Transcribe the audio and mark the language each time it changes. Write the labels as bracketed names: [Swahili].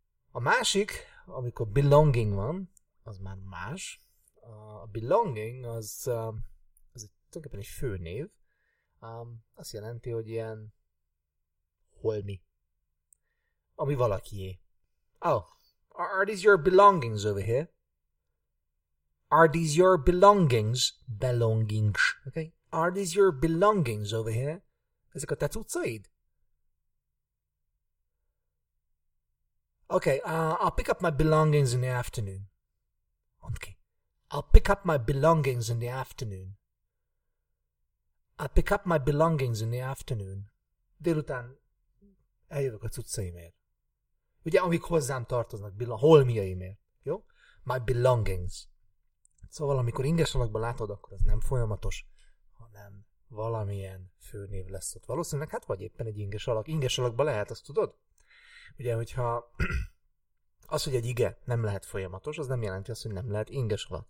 [Hungarian] A másik, amikor belonging van, az már más. A belonging az tulajdonképpen egy főnév. Azt jelenti, hogy ilyen holmi. Ami valakié. [English] Oh, are these your belongings over here? Are these your belongings? Belongings. Okay. Are these your belongings over here? [Hungarian] Ezek a te cuccaid? [English] Okay, I'll pick up my belongings in the afternoon. Okay. I'll pick up my belongings in the afternoon. I pick up my belongings in the afternoon. [Hungarian] Délután eljövök a cuccaimért. Ugye, amik hozzám tartoznak, holmiaimért, jó? [English] My belongings. [Hungarian] Szóval, amikor inges alakban látod, akkor ez nem folyamatos, hanem valamilyen főnév lesz ott. Valószínűleg, hát vagy éppen egy inges alak. Inges alakban lehet, azt tudod? Ugye, hogyha az, hogy egy ige nem lehet folyamatos, az nem jelenti azt, hogy nem lehet inges alak.